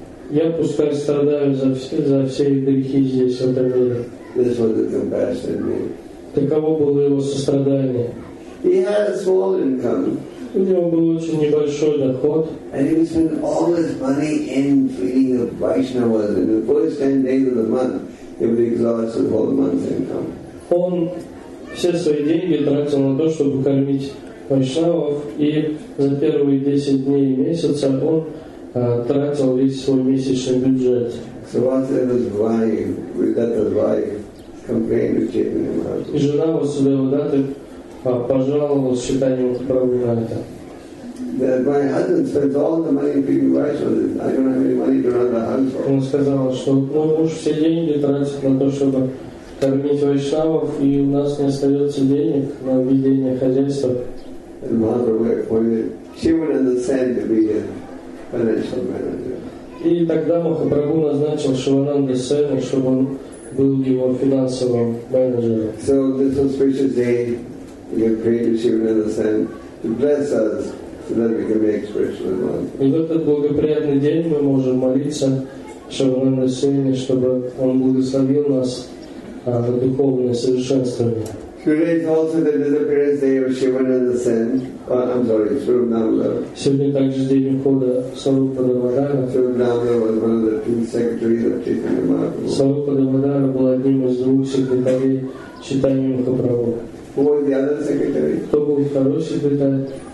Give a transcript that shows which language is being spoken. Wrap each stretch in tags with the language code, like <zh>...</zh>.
<ru>Я пускай страдаю за все грехи здесь, в этом мире.</ru> <en>This was the compassion in me.</en> <ru>Таково было его сострадание.</ru> <en>He had a small income.</en> <ru>У него был очень небольшой доход.</ru> <en>And he spent all his money in feeding the Vaishnavas. In the first 10 days of the month, he would exhaust the whole month's income.</en> <ru>Он все свои деньги тратил на то, чтобы кормить вайшнавов, и за первые 10 дней месяца он тратил весь свой месячный бюджет.</ru> <en>So Vasudeva's wife, Vidatta's wife, complained to Chaitanya Mahaprabhu.</en> <ru>И жена Васудевы Датты пожаловалась Чайтанье Махапрабху на это.</ru> <en>That my husband spends all the money feeding Vaishnavas. I don't have any money to run the house for.</en> <ru>Он сказал, что мой муж все деньги тратит на то, чтобы кормить вайшнавов, и у нас не остается денег на ведение хозяйства.</ru> <en>And Mahaprabhu appointed Shivananda Sen to be a financial manager.</en> <ru>И тогда Махапрабху назначил Шивананда Сену, чтобы он был его финансовым менеджером.</ru> <en>So this auspicious day, we prayed to Shivananda Sen to bless us so that we can make spiritual advance.</en> <ru>И в этот благоприятный день мы можем молиться Шивананда Сене, чтобы он благословил нас на духовное совершенствование.</ru> <en>Today is also the disappearance day of Shivananda Sen. Oh, I'm sorry, Swarup Damodara.</en> <ru>Сегодня также день ухода Сарупа Дамодара.</ru> <en>Swarup Damodara was one of the two secretaries of Chaitanya Mahaprabhu.</en> <ru>Сарупа Дамодара был одним из двух секретарей Чайтаньи Махапрабху.</ru> <en>Who was the other secretary?</en> <ru>Кто был второй секретарь?</ru>